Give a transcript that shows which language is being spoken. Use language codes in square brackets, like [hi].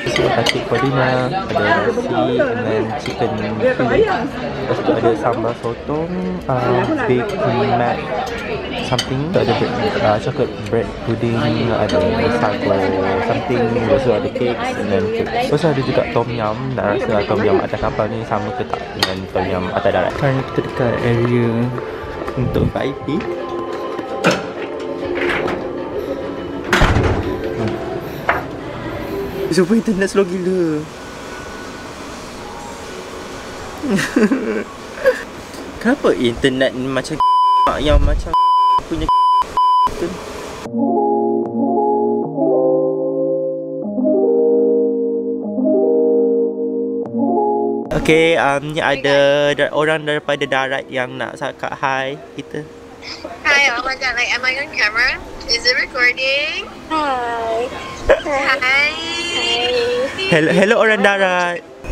[ms] Terima kasih [en] for dinner. [ms] Ada nasi [en] and then chicken fillet. [ms] Ada sambal sotong, big mac something. So ada chocolate bread pudding, ada sago something, also ada cakes [en] and then cakes. Also [ms] ada juga tom yum, nak rasa lah tom yum atas kapal ni sama ke tak dengan tom yum atas darat. Sekarang kita dekat area untuk VIP. Sumpah internet slow gila. Kenapa internet ni macam yang macam punya tu? Okay, ni ada orang daripada darat yang nak cakap hi kita. [en] Hi, oh my god, like am I on camera? Is it recording? Hi. Hi. [ms] Hello, hello orang darat.